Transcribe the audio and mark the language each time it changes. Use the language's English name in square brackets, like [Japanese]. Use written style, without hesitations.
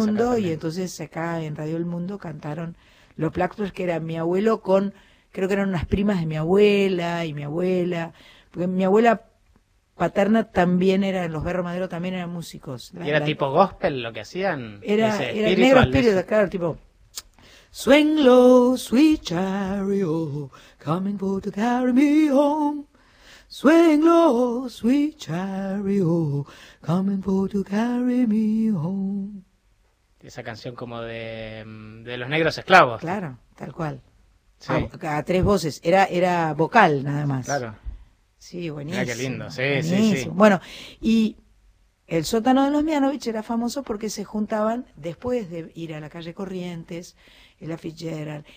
[Spanish] Radio El Mundo, y entonces acá en Radio El Mundo cantaron Los Blackbirds, que era mi abuelo con, creo que eran unas primas de mi abuela y mi abuela. Porque mi abuela paterna también era, los Berro Madero también eran músicos. ¿Y era tipo gospel lo que hacían? Era Negro Spirit, claro, tipo... [English] Swing low, sweet chariot, coming for to carry me home. Swing low, sweet chariot, coming for to carry me home. [Spanish] Esa canción como de los Negros Esclavos. Claro, tal cual. Sí. A tres voces. Era vocal, nada más. Claro. Sí, buenísimo. Mira qué lindo. Sí, buenísimo. Sí, sí. Bueno, y el sótano de los Mianovich era famoso porque se juntaban después de ir a la calle Corrientes, Ella Fitzgerald.